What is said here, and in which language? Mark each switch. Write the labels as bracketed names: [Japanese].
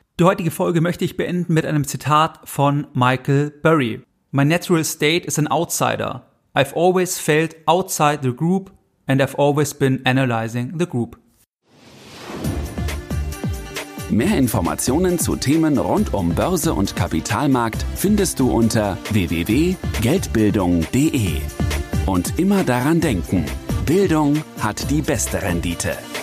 [German] Die heutige Folge möchte ich beenden mit einem Zitat von Michael Burry. [English] My natural state is an outsider. I've always felt outside the group and I've always been analyzing the group. [German] Mehr Informationen zu Themen rund um Börse und Kapitalmarkt findest du unter www.geldbildung.de. Und immer daran denken, Bildung hat die beste Rendite.